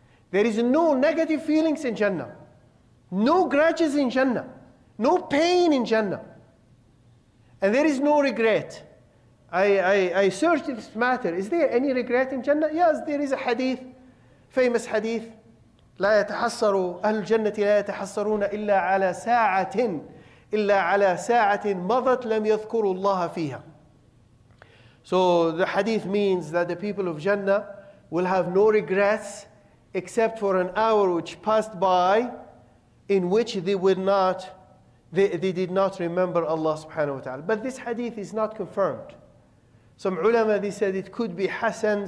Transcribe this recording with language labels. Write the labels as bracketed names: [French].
[English] There is no negative feelings in Jannah, no grudges in Jannah. No pain in Jannah. And there is no regret. I searched this matter. Is there any regret in Jannah? Yes, there is a hadith, famous hadith. [Arabic] لا يتحصر أهل الجنة لا يتحصرون إلا على ساعة إلا على ساعة مضت لم يذكروا الله فيها. [English] So the hadith means that the people of Jannah will have no regrets except for an hour which passed by in which they would not They did not remember Allah subhanahu wa ta'ala. But this hadith is not confirmed. Some ulama, they said it could be hasan.